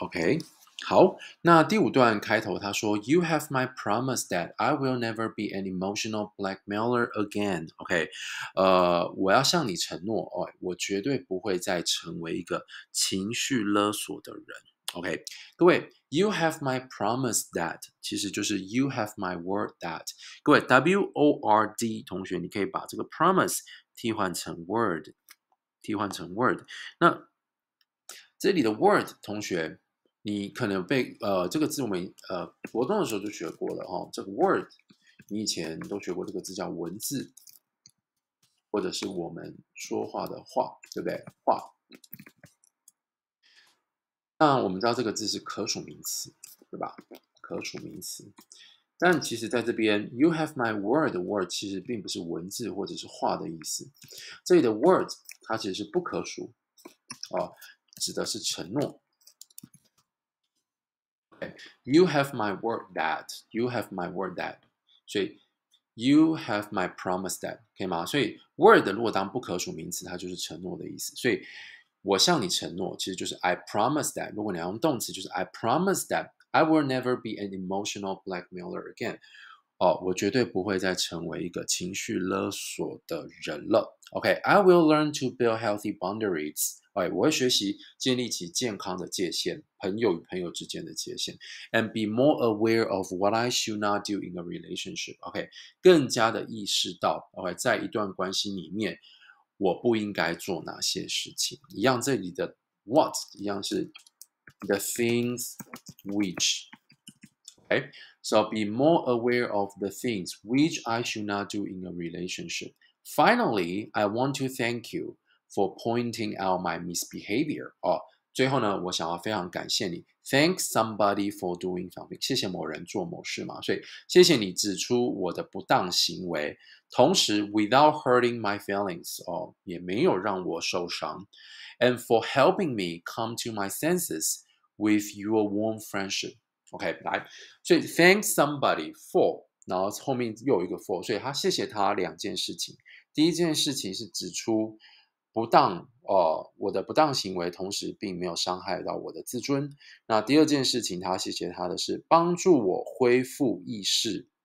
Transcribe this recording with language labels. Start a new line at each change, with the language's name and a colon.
Chinese: OK， 好，那第五段开头他说
English: ：“You have my promise that I will never be an emotional blackmailer again.”
Chinese: OK， 我要向你承诺哦，我绝对不会再成为一个情绪勒索的人。 OK， 各位。
English: You have my promise that
Chinese: 其实就是
English: You have my word that
Chinese: 各位 WORD 同学你可以把这个 promise 替换成 word 替换成 word 那这里的 word 同学你可能被这个字我们国中的时候就学过了、哦、这个 word 你以前都学过这个字叫文字或者是我们说话的话对不对话那我们知道这个字是可数名词，对吧？可数名词。但其实在这边 ，
English: you have my word，
Chinese: word word 其实并不是文字或者是话的意思。这里的 word 它其实是不可数，哦，指的是承诺。
English: Okay, you have my word that， you have my word that，
Chinese: 所以
English: you have my promise that，
Chinese: 可以吗？所以 word 如果当不可数名词，它就是承诺的意思。所以我向你承诺，其实就是
English: I promise that。
Chinese: 如果你要用动词，就是
English: I promise that I will never be an emotional blackmailer again。
Chinese: 哦，我绝对不会再成为一个情绪勒索的人了。
English: OK， I will learn to build healthy boundaries。
Chinese: 哎，我会学习建立起健康的界限，朋友与朋友之间的界限
English: ，and be more aware of what I should not do in a relationship。
Chinese: OK， 更加的意识到 ，OK， 在一段关系里面。我不应该做哪些事情？一样，这里的 what 一样是
English: the things which，
Chinese: okay?
English: So be more aware of the things which I should not do in a relationship. Finally, I want to thank you for pointing out my misbehavior.
Chinese: 哦，最后呢，我想要非常感谢你 ，
English: thank somebody for doing something，
Chinese: 谢谢某人做某事嘛。所以，谢谢你指出我的不当行为。同时
English: ，without hurting my feelings，
Chinese: 哦，也没有让我受伤
English: ，and for helping me come to my senses with your warm friendship。
Chinese: OK， 来，所以
English: thank somebody for，
Chinese: 然后后面又有一个 for， 所以他谢谢他两件事情。第一件事情是指出不当，我的不当行为，同时并没有伤害到我的自尊。那第二件事情，他谢谢他的是帮助我恢复意识。